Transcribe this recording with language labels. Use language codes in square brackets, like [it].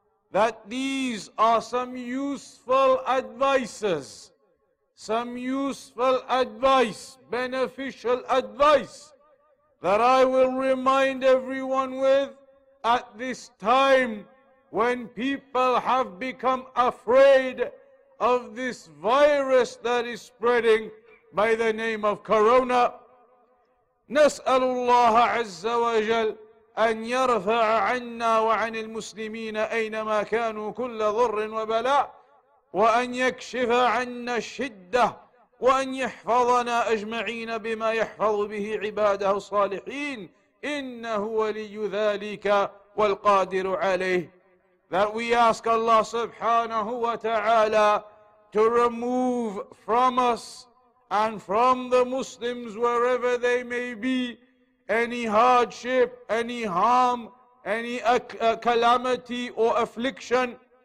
[en] That these are some useful advices, some useful advice, beneficial advice that I will remind everyone with at this time when people have become afraid of this virus that is spreading by the name of Corona. [ar] نسأل الله عز وجل أن يرفع عنا وعن المسلمين أينما كانوا كل ضر وبلاء، وأن يكشف عنا الشدة، وأن يحفظنا أجمعين بما يحفظ به عباده الصالحين، إنه ولي ذلك والقادر عليه. [en] That we ask Allah [ar] سبحانه وتعالى [en] to remove from us and from the Muslims wherever they may be any hardship, any harm, any calamity or affliction,